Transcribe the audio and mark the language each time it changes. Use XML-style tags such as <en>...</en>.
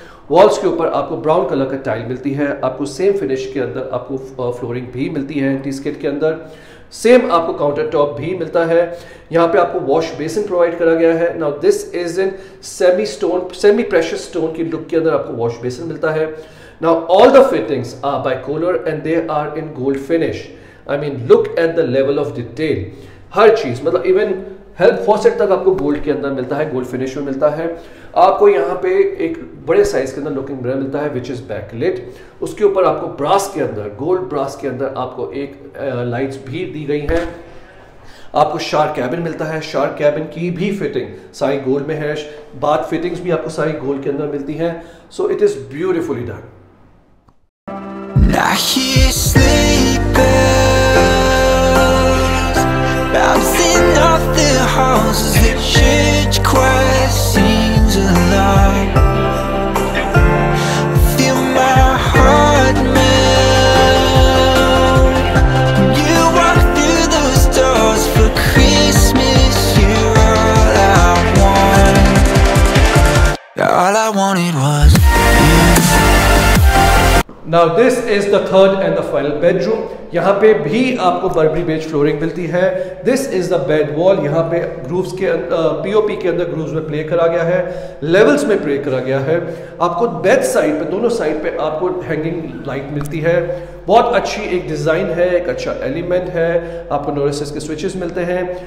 <hi>Walls के ऊपर आपको ब्राउन कलर का टाइल मिलती है, आपको सेम फिनिश के अंदर आपको फ्लोरिंग भी मिलती है एंटीस्केट के अंदर, सेम आपको काउंटर टॉप भी मिलता है, यहाँ पे आपको वॉश बेसिन प्रोवाइड करा गया है। Now this is in semi stone, semi precious stone की लुक के अंदर आपको वॉश बेसिन मिलता है।</hi> <en>Now all the fittings are by Kohler and they are in gold finish. I mean, look at the level of detail.</en> <hi>हर चीज़, मतलब even help faucet तक आपको gold के अंदर मिलता है, gold finish में मिलता है। आपको यहाँ पे एक बड़े size के अंदर looking mirror मिलता है, which is backlit. उसके ऊपर आपको brass के अंदर, gold brass के अंदर आपको एक lights भी दी गई हैं। आपको शार्क कैबिन मिलता है, शार्क कैबिन की भी फिटिंग सारी गोल्ड में है, बाथ फिटिंग्स भी आपको सारी गोल्ड के अंदर मिलती हैं, so it is beautifully done.</hi> <en>Now he's sleeping, bouncing off the houses, the church choir seems alive. Feel my heart melt. You walk through those doors for Christmas, you're all I want. All I wanted was. Now this is the third and the final bedroom.</en> <hi>यहाँ पे भी आपको Barbari beige flooring मिलती है. This is the bed wall. यहाँ पे grooves के POP के अंदर ग्रूव्स में प्ले करा गया है, लेवल्स में प्ले करा गया है. आपको बेड साइड पे दोनों साइड पे आपको हैंगिंग लाइट मिलती है. बहुत अच्छी एक डिज़ाइन है, एक अच्छा एलिमेंट है. आपको नोरिसिस के स्विचेस मिलते हैं.</hi>